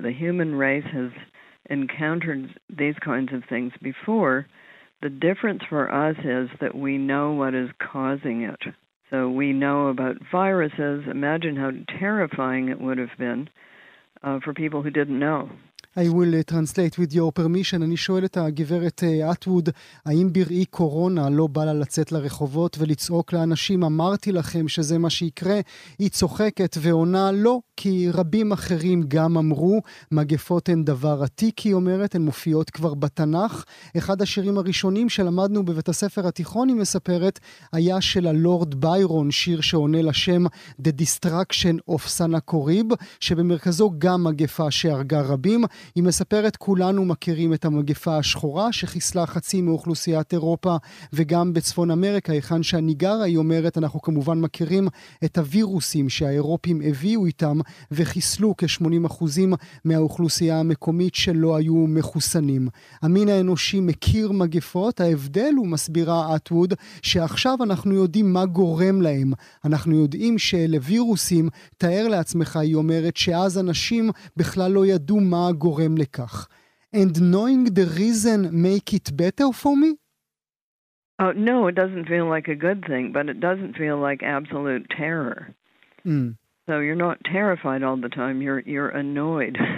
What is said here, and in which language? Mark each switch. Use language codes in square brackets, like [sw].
[en] The human race has encountered these kinds of things before. The difference for us is that we know what is causing it. So we know about viruses. Imagine how terrifying it would have been for people who didn't know. I will translate with your permission. [he] אני שואל את הגברת אטווד, האם בראי קורונה לא בא לה לצאת לרחובות ולצעוק לאנשים, אמרתי לכם שזה מה שיקרה, היא צוחקת ועונה לא, כי רבים אחרים גם אמרו, מגפות הן דבר עתיק, היא אומרת, הן מופיעות כבר בתנך. אחד השירים הראשונים שלמדנו בבית הספר התיכון, היא מספרת, היה של הלורד ביירון, שיר שעונה לשם The Destruction of Sennacherib, שבמרכזו גם מגפה שהרגה רבים, היא מספרת, כולנו מכירים את המגפה השחורה שחיסלה חצי מאוכלוסיית אירופה וגם בצפון אמריקה, היכן שאני גרה, היא אומרת, אנחנו כמובן מכירים את הווירוסים שהאירופים הביאו איתם וחיסלו כ-80% מהאוכלוסייה המקומית שלא היו מחוסנים. המין האנושי מכיר מגפות, ההבדל הוא, מסבירה אטווד, שעכשיו אנחנו יודעים מה גורם להם. אנחנו יודעים שאלה וירוסים, תאר לעצמך, היא אומרת, שאז אנשים בכלל לא ידעו מה גורם לכך. [en] And knowing the reason make it better for me? Oh, no, it doesn't feel like a good thing, but it doesn't feel like absolute terror. Mm. So you're not terrified all the time, you're annoyed.